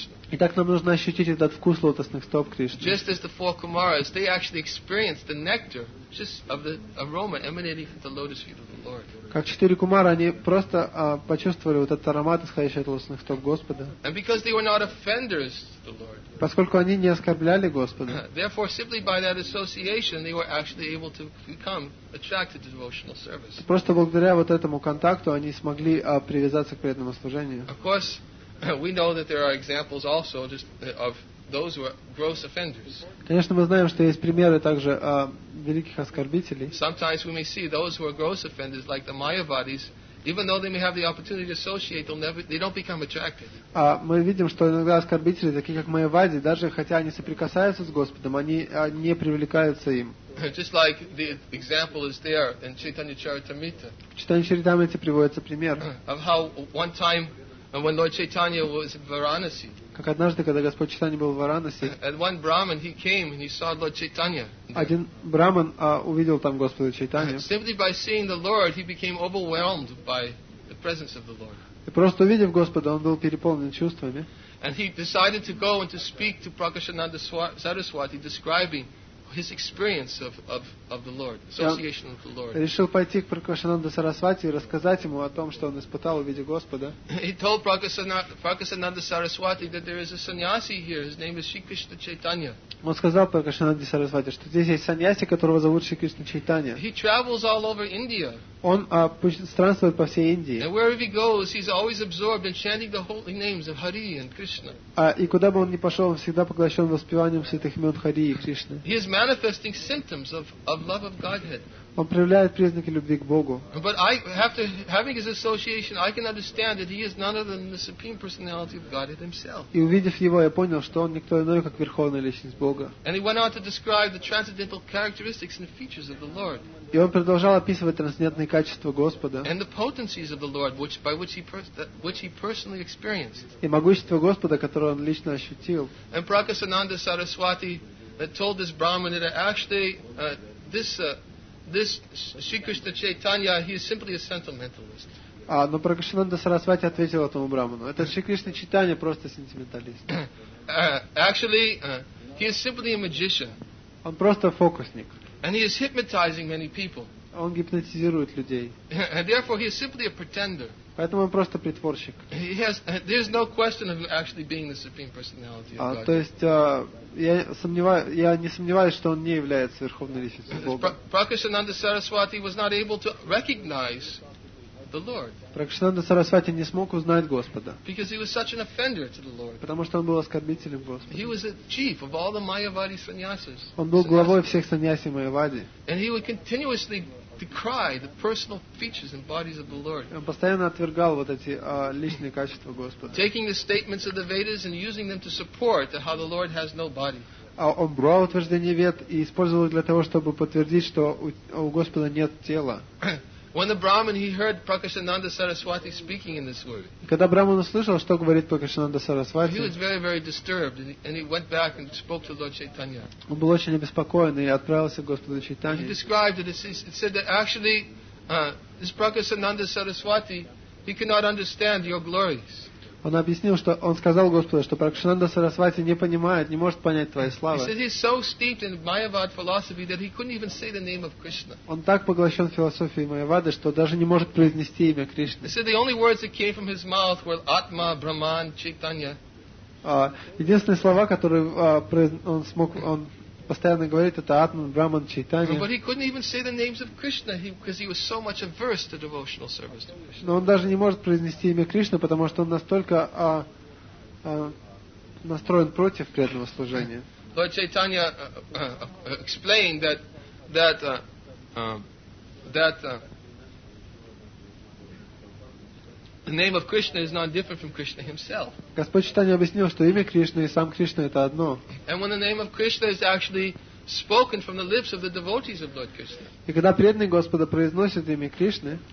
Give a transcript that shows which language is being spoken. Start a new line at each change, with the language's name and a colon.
Russian: Итак, нам нужно ощутить этот вкус лотосных стоп Кришны.
English: Just as the four Kumaras, they actually experienced the nectar, just of the aroma emanating from the lotus feet of the Lord.
Russian: Как четыре кумара, они просто почувствовали вот этот аромат, исходящий от лотосных стоп Господа.
English: And because they were not offenders to the Lord.
Russian: Поскольку они не оскорбляли Господа.
English: Therefore, simply by that association, they were actually able to become attracted to devotional service.
Russian: Просто благодаря вот этому контакту они смогли привязаться к преданному служению.
English: Of course, we know that there are examples also just of those who are gross offenders.
Russian: Конечно, мы знаем, что есть примеры также великих оскорбителей.
English: Sometimes we may see those who are gross offenders, like the Mayavadis, even though they may have the opportunity to associate, they don't become attracted.
Russian: Мы видим, что иногда оскорбители, такие как Майявади, даже хотя они соприкасаются с Господом, они не привлекаются им.
English: Just like the example is there in Chaitanya Charitamrita.
Russian: В Чайтанья Чаритамрите приводится пример.
English: Of how one time when Lord Chaitanya was in Varanasi.
Russian: Как однажды, когда Господь Чайтанья был в Варанаси.
English: And one Brahmin, he came and he saw Lord Chaitanya.
Russian: Один Брахман увидел там Господа Чайтанью.
English: Simply by seeing the Lord, he became overwhelmed by the presence of the Lord.
Russian: И просто увидев Господа, он был переполнен чувствами.
English: And he decided to go and to speak to Prakashananda Saraswati, describing his experience of the Lord, association with the Lord.
Russian: Решил пойти к Пракасананда Сарасвати и рассказать ему о том, что он испытал в виде Господа.
English: He told Pракасананда Сарасвати that there is a sannyasi here. His name is Sri Krishna Chaitanya.
Russian: Он сказал Пракасананде Сарасвати, что здесь есть саньяси, которого зовут Шри Кришна Чайтанья.
English: He travels all over India.
Russian: Он странствует по всей Индии.
English: And wherever he goes, he's always absorbed in chanting the holy names of Hari and Krishna.
Russian: И куда бы он ни пошел, он всегда поглощен воспеванием святых имен Хари и Кришны.
English: He is manifesting symptoms of love of Godhead.
Russian: Он проявляет признаки любви к Богу.
English: But I, after having his association, I can understand that he is none other than the supreme personality of Godhead himself.
Russian: И увидев его, я понял, что он никто иной, как верховная личность Бога.
English: And he went on to describe the transcendental characteristics and features of the Lord.
Russian: И он продолжал описывать трансцендентные качества Господа.
English: And the potencies of the Lord, which he personally experienced.
Russian: И могущество Господа, которое он лично ощутил.
English: And Prakasananda Saraswati told this Brahmin that actually this Sri Krishna Chaitanya, he is simply a sentimentalist.
Russian: Но Пракашананда Сарасвати ответил этому браману: это Шри Кришна Чайтанья просто сентименталист.
English: Actually, he is simply a magician.
Russian: Он просто фокусник.
English: And he is hypnotizing many people.
Russian: Он гипнотизирует людей.
English: And therefore, he is simply a pretender.
Russian: Поэтому он просто притворщик.
English: There is no question of him actually being the supreme personality of God.
Russian: То есть я не сомневаюсь, что он не является верховной личностью Бога.
English: Prakashananda Saraswati was not able to recognize the Lord.
Russian: Prakashananda Saraswati не смог узнать Господа.
English: Because he was such an offender to the Lord.
Russian: Потому что он был оскорбителем Господа.
English: He was the chief of all the Mayavadi sannyasis.
Russian: Он был главой всех саньяси Майявади.
English: And he would continuously decry the personal features and bodies of the Lord.
Russian: Он постоянно отвергал вот эти личные качества Господа.
English: Taking the statements of the Vedas and using them to support how the Lord has no body.
Russian: Он брал утверждения Вед и использовал для того, чтобы подтвердить, что у Господа нет тела.
English: When the Brahmin he heard Prakashananda Saraswati speaking in this way.
Russian: Когда Брахман услышал, что говорит Пракашананда Сарасвати,
English: he was very, very disturbed, and he went back and spoke to Lord Chaitanya.
Russian: Он был очень обеспокоен и отправился к Господу Чайтанье.
English: He described it. It said that actually, this Prakashananda Saraswati, he cannot understand your glories.
Russian: Он объяснил, что он сказал Господу, что Пракашананда Сарасвати не понимает, не может понять твоей славы.
English: He said he's so steeped in Mayavad philosophy that he couldn't even say the name of Krishna.
Russian: Он так поглощен философией Майявады, что даже не может произнести имя Кришны.
English: He said the only words that came from his mouth were Atma, Brahman, Chaitanya.
Russian: Единственные слова, которые он постоянно говорит, это Атман, Брахман, Чайтанья.
English: But he couldn't even say the names of Krishna because he was so much averse to devotional service to Krishna.
Russian: Но он даже не может произнести имя Кришны, потому что он настолько настроен против преданного служения.
English: Lord Chaitanya explained that the name of Krishna is not different from Krishna himself.
Russian: Господь Чайтанья объяснил, что имя Кришны и сам Кришна это одно.
English: And when the name of Krishna is actually spoken from the lips of the devotees of Lord Krishna.
Russian: И когда преданный Господа произносит имя Кришны,